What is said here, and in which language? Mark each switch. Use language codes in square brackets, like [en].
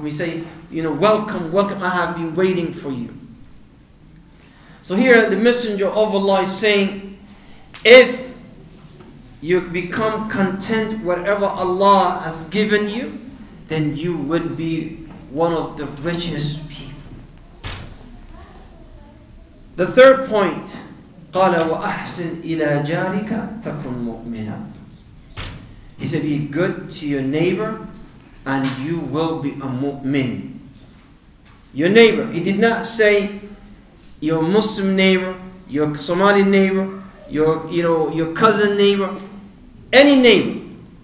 [en] We say, you know, welcome, welcome, I have been waiting for you. So here the Messenger of Allah is saying, if you become content whatever Allah has given you, then you would be one of the richest people. The third point, [ar] قَالَ وَأَحْسِنْ إِلَىٰ جَارِكَ تَكُنْ مُؤْمِنًا. [en] He said, be good to your neighbor and you will be a mu'min. Your neighbor, he did not say your Muslim neighbor, your Somali neighbor, your cousin neighbor, any name.